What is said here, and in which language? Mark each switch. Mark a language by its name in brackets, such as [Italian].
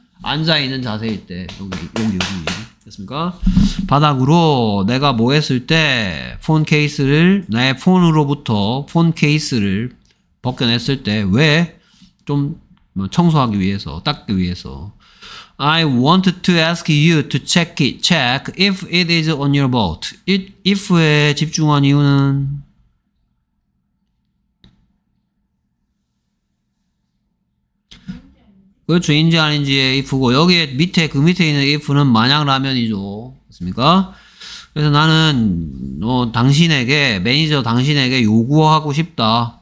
[Korean] 앉아 있는 자세일 때 여기. 됐습니까? 바닥으로 내가 뭐 했을 때 폰 케이스를 나의 폰으로부터 폰 케이스를 벗겨냈을 때 왜? 좀 청소하기 위해서 닦기 위해서. [English] I wanted to ask you to check if it is on your boat. [Korean] If에 집중한 이유는 그렇죠. 인지 아닌지의 if고, 여기에 밑에, 그 밑에 있는 if는 마냥 라면이죠. 그렇습니까? 그래서 나는, 당신에게, 매니저 당신에게 요구하고 싶다.